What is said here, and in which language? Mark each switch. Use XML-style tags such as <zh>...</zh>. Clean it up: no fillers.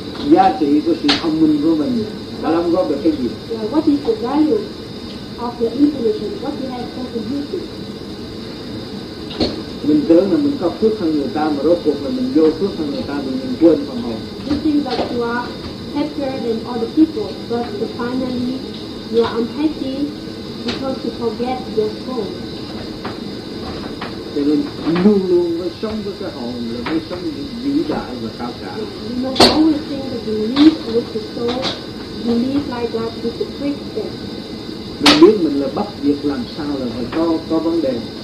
<vi>Giá trị của sự thông minh của mình đã đóng góp được cái gì?</vi> <en>What is the value of your intuition? What you have contributed?</en> <vi>Mình tưởng là mình có phước hơn người ta mà rốt cuộc là mình vô phước hơn người ta thì mình quên phần hồn.</vi> <en>You think that you are happier than other people, but finally you are unhappy because you forget your soul.</en> <vi>Cho nên luôn luôn mới sống với cái hồn là mới sống vĩ đại và cao cả.</vi> <en>You must always think that you live with the soul, you live like that with the great thing.</en> <vi>Mình biết mình là bất diệt làm sao là phải có vấn đề.</vi>